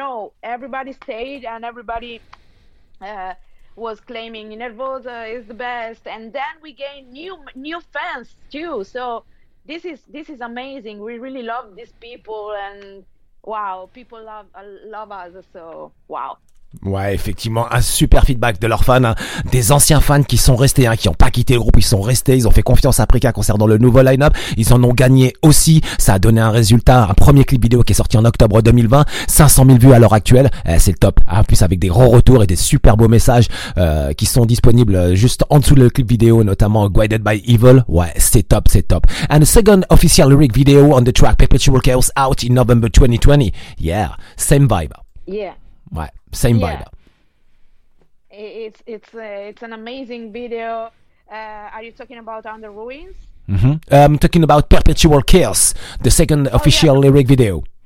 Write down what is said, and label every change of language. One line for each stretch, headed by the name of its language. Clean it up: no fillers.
English: No, everybody stayed, and everybody was claiming Nervosa is the best, and then we gained new fans too. So this is amazing. We really love these people, and wow, people love us. So wow.
French: Ouais, effectivement, un super feedback de leurs fans, hein. Des anciens fans qui sont restés, hein, qui n'ont pas quitté le groupe, ils sont restés, ils ont fait confiance à Prika concernant le nouveau line-up, ils en ont gagné aussi, ça a donné un résultat, un premier clip vidéo qui est sorti en octobre 2020, 500 000 vues à l'heure actuelle, c'est le top, hein. Plus avec des gros retours et des super beaux messages qui sont disponibles juste en dessous de le clip vidéo, notamment Guided by Evil, ouais, c'est top.
English: And a second official lyric video on the track Perpetual Chaos out in November 2020, yeah, same vibe. Yeah. Ouais, same vibe. Yeah. It's an amazing video. Are you talking about Under Ruins? Mm-hmm. I'm talking about Perpetual Chaos, the second official lyric video.